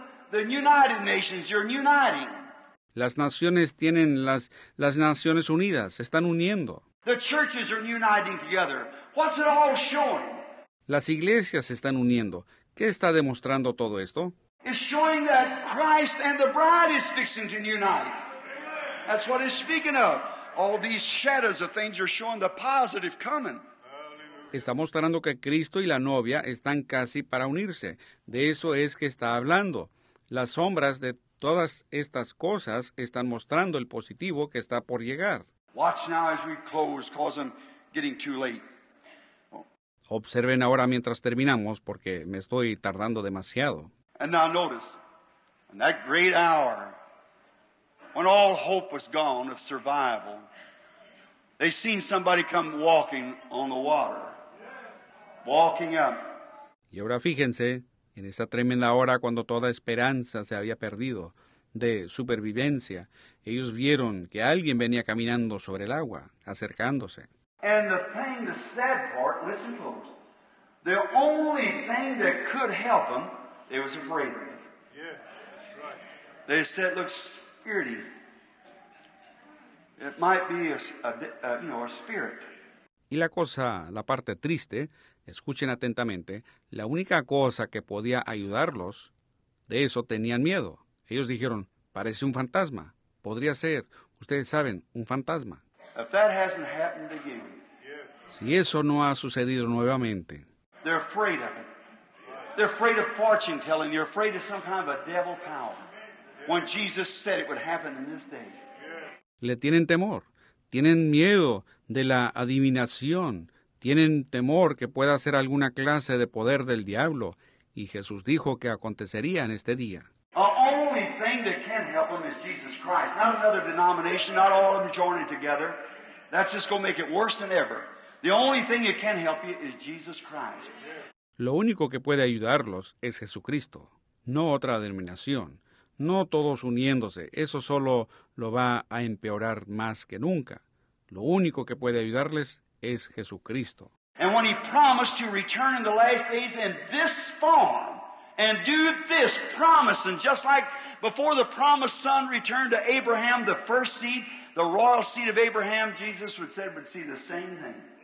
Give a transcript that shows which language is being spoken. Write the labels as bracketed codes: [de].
[en] The United Nations, you're uniting. [es] Las naciones tienen las Naciones Unidas, están uniendo. [en] The churches are uniting together. What's it all showing? [es] Las iglesias están uniendo. ¿Qué está demostrando todo esto? [en] It's showing that Christ and the bride is fixing to unite. That's what it's speaking of. All these shadows of things are showing the positive coming. [es] Está mostrando que Cristo y la novia están casi para unirse. De eso es que está hablando. Las sombras de todas estas cosas están mostrando el positivo que está por llegar. [en] Watch now as we close, 'cause I'm getting too late. [es] Observen ahora mientras terminamos, porque me estoy tardando demasiado. [en] And now notice, in that great hour, when all hope was gone of survival, they seen somebody come walking on the water, walking up. [es] Y ahora fíjense, en esa tremenda hora cuando toda esperanza se había perdido de supervivencia, ellos vieron que alguien venía caminando sobre el agua, acercándose. [en] And the thing, the sad part, listen folks, the only thing that could help them, it was a freighter. Yeah, right. They said, it looks spirity. It might be a spirit. [es] Y la cosa, la parte triste, escuchen atentamente, la única cosa que podía ayudarlos, de eso tenían miedo. Ellos dijeron, parece un fantasma, podría ser, ustedes saben, un fantasma. [en] If that hasn't happened again, [es] si eso no ha sucedido nuevamente, [en] they're afraid of it. They're afraid of fortune telling. They're afraid of some kind of a devil power. When Jesus said it would happen in this day. [es] Le tienen temor. Tienen miedo de la adivinación. Tienen temor que pueda ser alguna clase de poder del diablo. Y Jesús dijo que acontecería en este día. [en] The only thing that can help them is Jesus Christ. Not another denomination, not all of them joining together. That's just going to make it worse than ever. The only thing that can help you is Jesus Christ. [es] Lo único que puede ayudarlos es Jesucristo, no otra denominación. No todos uniéndose, eso solo lo va a empeorar más que nunca. Lo único que puede ayudarles es Jesucristo. [en] And when he promised to return in the last days in this form and do this promise, and just like before the promised son returned to Abraham, the first seed, the royal seed of Abraham, Jesus would say would see the same thing.